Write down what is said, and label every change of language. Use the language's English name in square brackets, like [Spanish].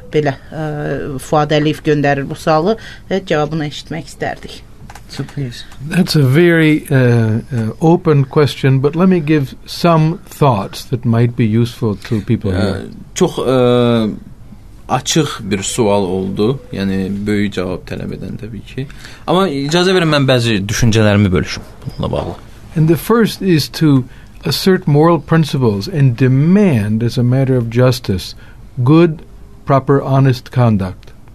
[Azerbaijani] Belə Fuad Əliyev göndərir bu sualı və cavabını eşitmək istərdik. [English] So please. That's a very open question, but let me give some thoughts that might be useful to people here. [Azerbaijani] Çox açıq bir sual oldu. Yəni böyük cavab tələb edən təbii ki. Amma icazə verin mən bəzi düşüncələrimi bölüşüm bununla bağlı. [English] And the first is to assert moral principles and demand as a matter of justice good, proper, honest conduct.